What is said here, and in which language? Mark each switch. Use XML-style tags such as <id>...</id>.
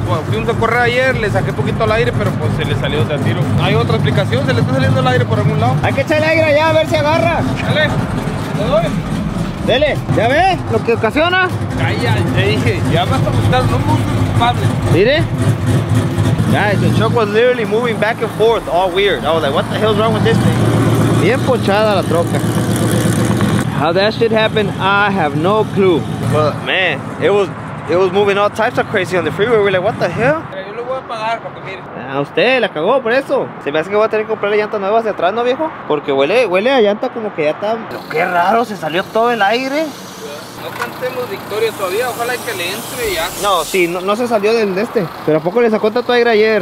<es>Cuando fuimos a correr ayer le saqué poquito el aire, pero pues se le salió de a tiro. ¿Hay otra explicación? ¿Se le está saliendo el aire por algún lado? Hay que echarle aire allá a ver si agarra. Dale. Le doy. Dele, ¿ya ves lo que ocasiona? Calla, ya dije, ya vas a buscar, no me gusta el culpable. Mire,</es> <en>Guys, the truck was literally moving back and forth, all weird. I was like, what the hell's wrong with this thing?</en> <es>Bien pochada la troca.</es> <en>How that shit happened, I have no clue. But man, it was moving all types of crazy on the freeway. We're like, what the hell?</en> <es>A usted la cagó por eso. Se me hace que voy a tener que comprar la llanta nueva hacia atrás, ¿no, viejo? Porque huele a llanta como que ya está. Pero qué raro, se salió todo el aire. No cantemos victoria todavía, ojalá que le entre ya. No, sí, no se salió del de este. ¿Pero a poco le sacó tanto aire ayer?</es>